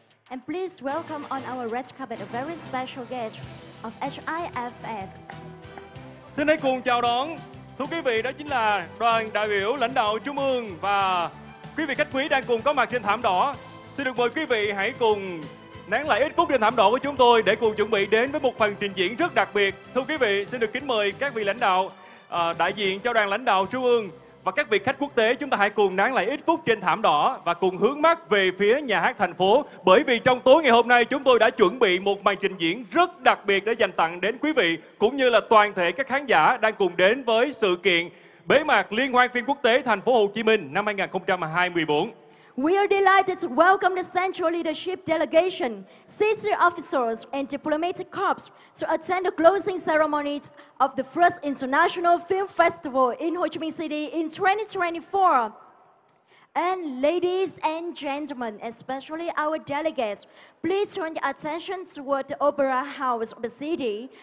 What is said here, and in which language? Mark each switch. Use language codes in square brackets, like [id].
[en] And please welcome on our red carpet a very special guest of HIFF. [vi] Xin hãy cùng chào đón, thưa quý vị, đó chính là đoàn đại biểu lãnh đạo Trung ương và quý vị khách quý đang cùng có mặt trên thảm đỏ. Xin được mời quý vị hãy cùng nán lại ít phút trên thảm đỏ của chúng tôi để cùng chuẩn bị đến với một phần trình diễn rất đặc biệt. Thưa quý vị, xin được kính mời các vị lãnh đạo đại diện cho đoàn lãnh đạo Trung ương và các vị khách quốc tế, chúng ta hãy cùng nán lại ít phút trên thảm đỏ và cùng hướng mắt về phía nhà hát thành phố, bởi vì trong tối ngày hôm nay chúng tôi đã chuẩn bị một màn trình diễn rất đặc biệt để dành tặng đến quý vị cũng như là toàn thể các khán giả đang cùng đến với sự kiện bế mạc liên hoan phim quốc tế thành phố Hồ Chí Minh năm 2024. [en] We are delighted to welcome the Central Leadership Delegation, senior officers and diplomatic corps to attend the closing ceremony of the first International Film Festival in Ho Chi Minh City in 2024. And ladies and gentlemen, especially our delegates, please turn your attention toward the Opera House of the city.